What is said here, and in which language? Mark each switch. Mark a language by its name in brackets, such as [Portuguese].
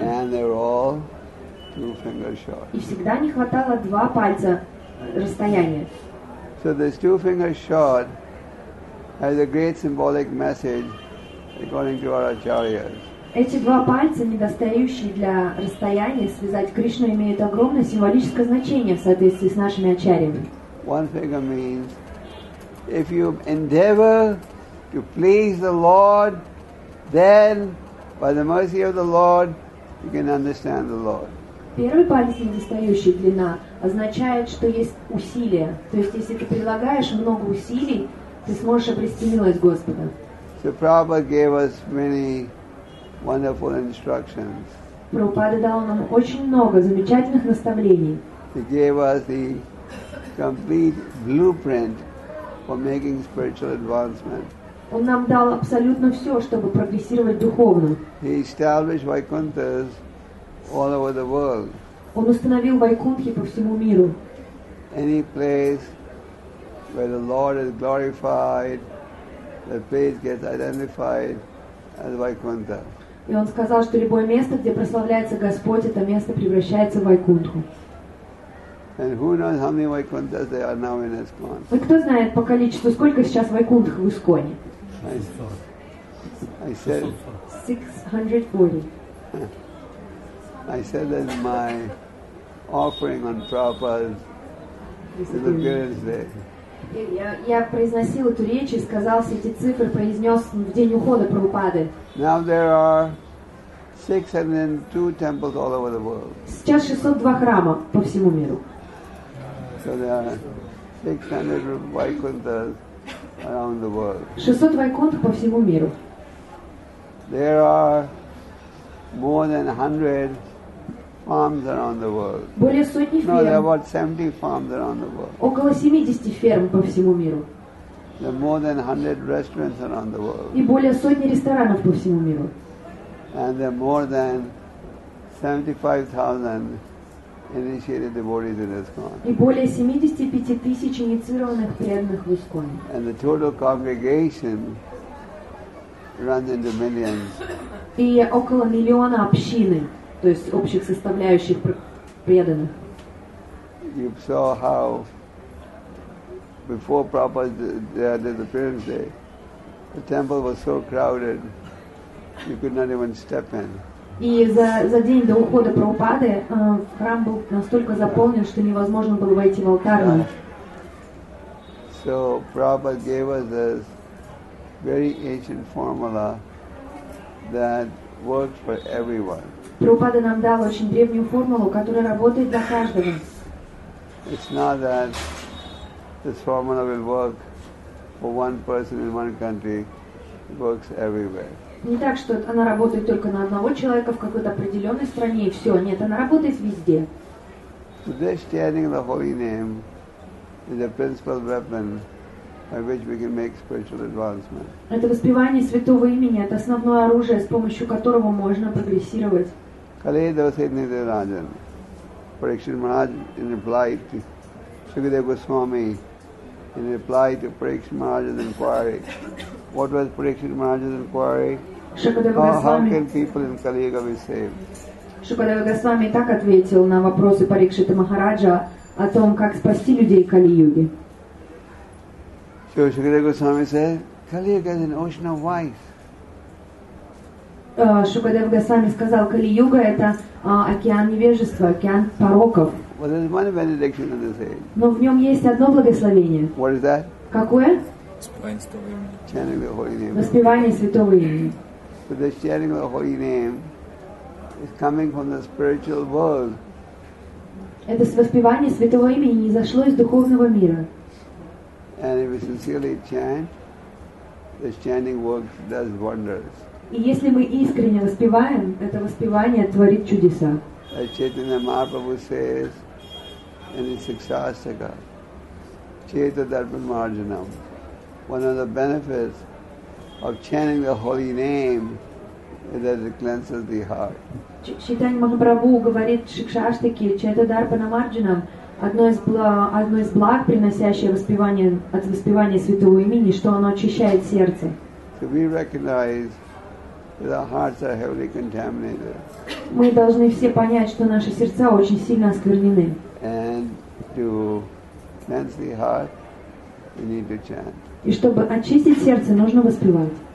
[English] And they were all 2 fingers short. [Russian] И всегда не хватало 2 пальца расстояния. [English] So this 2 fingers short has a great symbolic message according to our acharyas. [Russian] Эти 2 пальца, недостающие для расстояния связать Кришну, имеют огромное символическое значение в соответствии с нашими ачарьями. [English] One finger means if you endeavor to please the Lord, then by the mercy of the Lord, you can understand the Lord. [Russian] Первый палец, недостающий длина, означает, что есть усилия. То есть, если ты прилагаешь много усилий, ты сможешь обрести милость Господа. [English] So Prabhupada gave us many wonderful instructions. [Russian] Прабхупада дал нам очень много замечательных наставлений. [English] He gave us the complete blueprint for making spiritual advancement. [Russian] Он нам дал абсолютно все, чтобы прогрессировать духовно. [English] He established Vaikunthas all over the world. [Russian] Он установил Вайкунтхи по всему миру. [English] Any place where the Lord is glorified, the place gets identified as Vaikuntha. [Russian] И он сказал, что любое место, где прославляется Господь, это место превращается в Вайкунтху. [English] And who knows how many Vaikunthas there are now in ISKCON? [Russian] Вы кто знает по количеству, сколько сейчас Вайкунтх в ИСКОНе? [English] I said 640. I said that my offering on Prabhupada's disappearance day. [Russian] Я произносил эту речь и сказал все эти цифры, произнес в день ухода Прабхупады. [English] Now there are 602 temples all over the world. [Russian] Сейчас 602 храма по всему миру. [English] So there are 600 Vaikunthas around the world. [Russian] 600 Вайкунтх по всему миру. [English] There are more than 100 farms around the world. [Russian] Более сотни ферм. [English] No, there are about 70 farms around the world. [Russian] Около 70 ферм по всему миру. [English] There are more than 100 restaurants around the world. [Russian] И более сотни ресторанов по всему миру. [English] And there are more than 75,000 initiated devotees in ISKCON. [Russian] И более 75,000 инициированных преданных в ИСКОНе. [English] And the total congregation runs into millions. [Russian] И около миллиона общины, то есть общих составляющих преданных. [English] You saw how before Prabhupada disappearance day, the temple was so crowded you could not even step in. [Russian] И за день до ухода Прабхупады храм был настолько заполнен, что невозможно было войти в алтарь. [English] So Prabhupada gave us this very ancient formula that works for everyone. [Russian] Прабхупада нам дал очень древнюю формулу, которая работает для каждого. [English] It's not that this formula will work for one person in one country, it works everywhere. [Russian] Не так, что она работает только на одного человека в какой-то определенной стране и все. Нет, она работает везде. [English] This chanting the holy name is a principal weapon by which we can make spiritual advancement. [Russian] Это воспевание святого имени — это основное оружие, с помощью которого можно прогрессировать. [English] Kale Dosai Nidharajan, Parikshit Maharaj, in reply to Shukadeva Goswami, in reply to Parikshit Maharaj's inquiry. What was Parikshit Maharaj's inquiry? How can people in Kali Yuga be saved? [Russian] Шукадева Госвами так ответил на вопросы Парикшиты Махараджа о том, как спасти людей Кали-Юги. [English] Шукадева Госвами said, Kali-Yuga is an ocean of vice. [Russian] Шукадева Госвами сказал, Кали-Юга — это океан невежества, океан пороков. [English] Well, there's one benediction in this age. [Russian] Но в нем есть одно благословение. [English] What is that? [Russian] Какое? [English] Chanting the holy name. [Russian] Воспевание святого имени. [English] So the chanting of the holy name is coming from the spiritual world. [Russian] Это воспевание святого имени не зашло из духовного мира. [English] And if we sincerely chant, the chanting works, does wonders. [Russian] И если мы искренне воспеваем, это воспевание творит чудеса. [English] As Chaitanya Mahaprabhu says in his Shikshastaka, Cheta Darpan Marjanam. One of the benefits of chanting the holy name is that it cleanses the heart. [Russian] Чайтанья Махапрабху говорит в Шикшаштике, Чайта Дарпана Марджинам, одно из благ, приносящее воспевание, от воспевания святого имени, что оно очищает сердце. [English] So we recognize that our hearts are heavily contaminated. [Russian] Мы должны все понять, что наши сердца очень сильно осквернены. [English] And to cleanse the heart, we need to chant. [Russian] И чтобы очистить сердце, нужно воспевать.